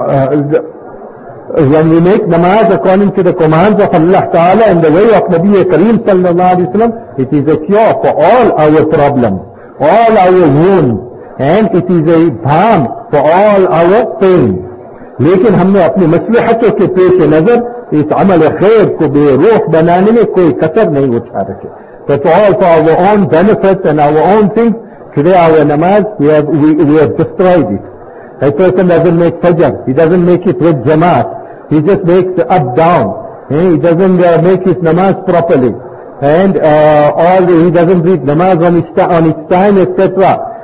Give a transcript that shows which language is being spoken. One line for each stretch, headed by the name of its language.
English: When we make namaz according to the commands of Allah Ta'ala in the way of Nabi Kareem sallallahu alayhi wa sallam, it is a cure for all our problems, all our wounds, and it is a balm for all our pain.
Urdu: لیکن ہم نے اپنی مصلحتوں کے پیش نظر اس عمل خیر کو بے روح بنانے میں کوئی قصر نہیں اٹھا رکھے.
English: But all for our own benefits and our own things, today our namaz, we have destroyed it. A person doesn't make fajr, he doesn't make it with jamaat, he just makes up down. He doesn't make his namaz properly. And he doesn't read namaz on its time, etc.